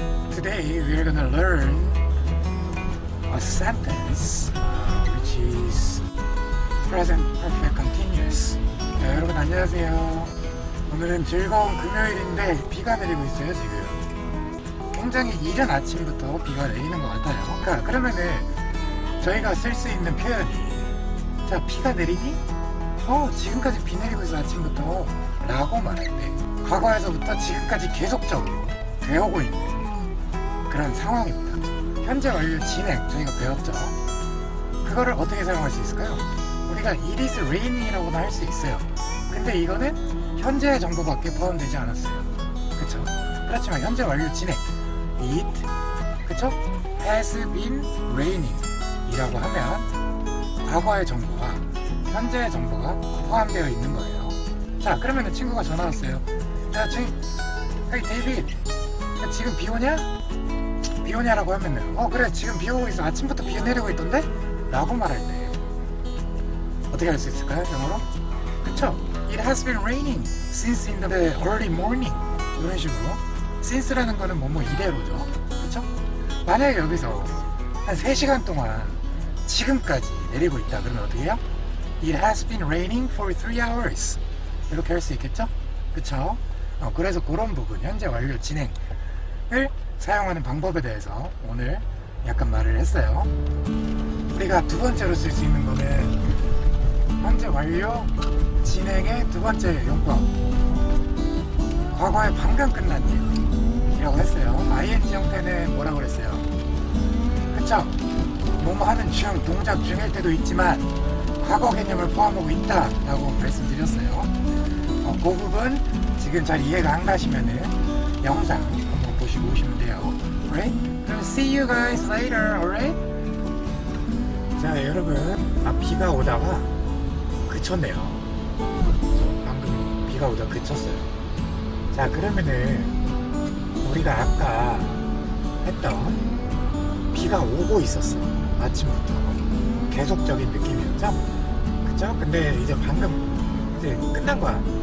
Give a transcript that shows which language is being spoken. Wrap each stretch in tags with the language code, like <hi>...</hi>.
<en>Today we are going to learn a sentence which is present perfect continuous.</en> <ko>네, 여러분 안녕하세요. 오늘은 즐거운 금요일인데 비가 내리고 있어요, 지금. 굉장히 이른 아침부터 비가 내리는 것 같아요. 그러니까 그러면은 저희가 쓸 수 있는 표현이 자, 비가 내리니? 지금까지 비 내리고 있어 아침부터 라고 말했네. 과거에서부터 지금까지 계속적으로 되오고 있는 그런 상황입니다. 현재 완료 진행 저희가 배웠죠. 그거를 어떻게 사용할 수 있을까요? 우리가</ko> <en>it is raining</en> <ko>이라고도 할 수 있어요. 근데 이거는 현재의 정보밖에 포함되지 않았어요. 그쵸? 그렇지만 현재 완료 진행 it 그쵸?</ko> <en>has been raining</en> <ko>이라고 하면 과거의 정보와 현재의 정보가 포함되어 있는 거예요. 자, 그러면 친구가 전화 왔어요. 야, 지금, hey, David, 야, 지금 비 오냐? 비 오냐라고 하면, 그래, 지금 비 오고 있어. 아침부터 비 내리고 있던데? 라고 말할 때. 어떻게 할 수 있을까요, 영어로? 그쵸?</ko> <en>It has been raining since in the early morning.</en> <ko>이런 식으로. since라는 거는 뭐뭐 이래로죠. 그쵸? 만약에 여기서 한 3시간 동안 지금까지 내리고 있다. 그러면 어떻게 해요?</ko> <en>It has been raining for 3 hours.</en> <ko>이렇게 할 수 있겠죠? 그쵸? 그래서 그런 부분, 현재 완료 진행을 사용하는 방법에 대해서 오늘 약간 말을 했어요. 우리가 두 번째로 쓸 수 있는 거는 현재 완료 진행의 두 번째 용법. 과거에 방금 끝난 일. 이라고 했어요. ing 형태는 뭐라고 그랬어요? 그쵸? 뭐뭐 하는 중, 동작 중일 때도 있지만 과거 개념을 포함하고 있다 라고 말씀드렸어요. 그 부분 지금 잘 이해가 안 가시면은 영상 한번 보시고 오시면 돼요.</ko> <en>Alright? See you guys later, alright?</en> <ko>자, 여러분. 아, 비가 오다가 그쳤네요. 그쵸? 방금 비가 오다가 그쳤어요. 자, 그러면은 우리가 아까 했던 비가 오고 있었어. 아침부터. 계속적인 느낌이었죠? 그쵸? 근데 이제 방금 이제 끝난 거야.</ko>